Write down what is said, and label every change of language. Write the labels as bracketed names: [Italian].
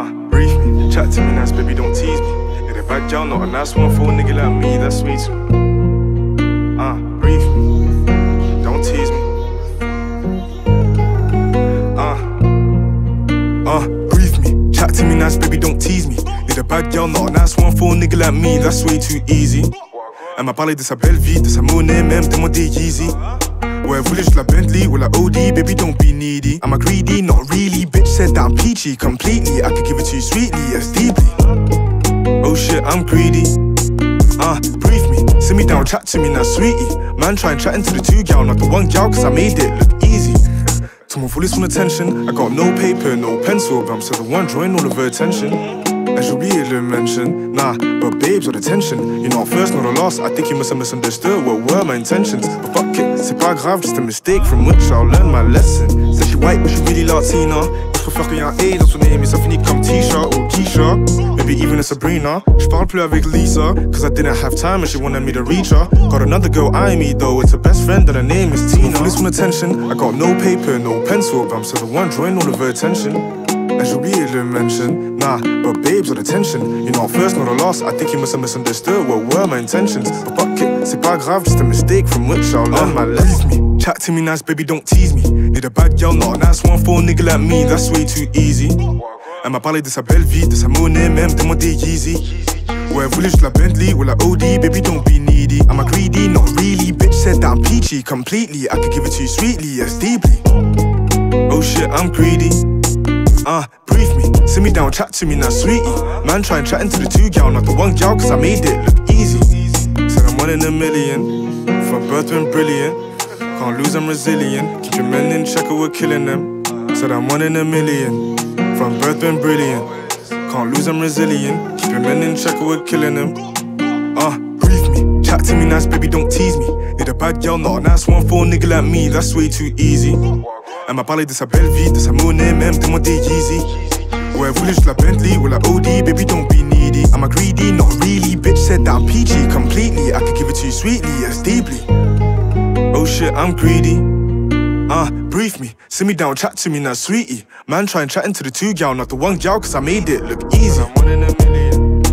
[English] Brief me. Chat to me now, baby, don't tease me. In a bad job, not a nice one for a nigga like me, that's sweet. Brief me. Don't tease me. Brief me. Chat to me now, baby, don't tease me. A bad girl, not a nice one for a nigga like me, that's way too easy. [French] Elle m'a parlé de sa belle vie, de sa monnaie, même de mon [English] day easy. [French] Ouais, elle voulait juste la Bentley ou la OD, [English] baby don't be needy. I'm a greedy, not really, bitch said that I'm peachy completely. I could give it to you sweetly, yes deeply. Oh shit, I'm greedy. Brief me, sit me down, chat to me now, sweetie. Man trying chatting to the two girl, not the one girl, cause I made it look easy. To my fullest one attention, I got no paper, no pencil, but I'm still the one drawing all of her attention. As you'll be able to mention, nah, but babes are attention. You're not first nor the last, I think you must have misunderstood what were my intentions. But fuck it, [French] c'est pas grave, [English] just a mistake from which I'll learn my lesson. Said she white, but she really Latina. [French] Je préfère qu'il y ait un A dans son [English] name, [French] et ça finit comme Tisha ou Keisha. [English] Maybe even a Sabrina. [French] Je parle plus avec Lisa, [English] cause I didn't have time and she wanted me to reach her. Got another girl eyeing me though, it's her best friend and her name is Tina. For this one attention, I got no paper, no pencil, but I'm still the one drawing all of her attention. As you'll be able to mention, nah, but babes are the tension. You're not first nor the last, I think you must have misunderstood what were my intentions. But fuck it, [French] c'est pas grave, [English] just a mistake from which I'll learn my lesson. Please me, chat to me nice, baby, don't tease me. Need a bad girl, not a nice one for a nigga like me, that's way too easy. [French] Elle m'a parlé de sa belle vie, de sa monnaie, même de mon [English] day easy. [French] Ouais, elle voulait juste la Bentley ou la OD, [English] baby, don't be needy. I'm a greedy, not really, bitch said that I'm peachy completely. I could give it to you sweetly, yes, deeply. Oh shit, I'm greedy. Brief me, sit me down, chat to me now, sweetie. Man trying chatting to the two girl, not the one girl, cause I made it look easy. Said I'm one in a million, from birth been brilliant. Can't lose, I'm resilient. Keep your men in check or we're killing them. Said I'm one in a million, from birth been brilliant. Can't lose, I'm resilient. Keep your men in check or we're killing them. Brief me, chat to me nice, baby, don't tease me. Need a bad girl, not a nice one for a nigga like me, that's way too easy. [French] Elle m'a parlé de sa belle vie, de sa monnaie, même de mon [English] day easy. [French] Ouais, elle voulait juste la Bentley ou la OD, [English] baby, don't be needy. I'm a greedy, not really, bitch said that I'm peachy completely. I could give it to you sweetly, yes, deeply. Oh shit, I'm greedy. Brief me, sit me down, chat to me now, sweetie. Man trying chatting to the two girl, not the one girl, cause I made it look easy. I'm one in a million.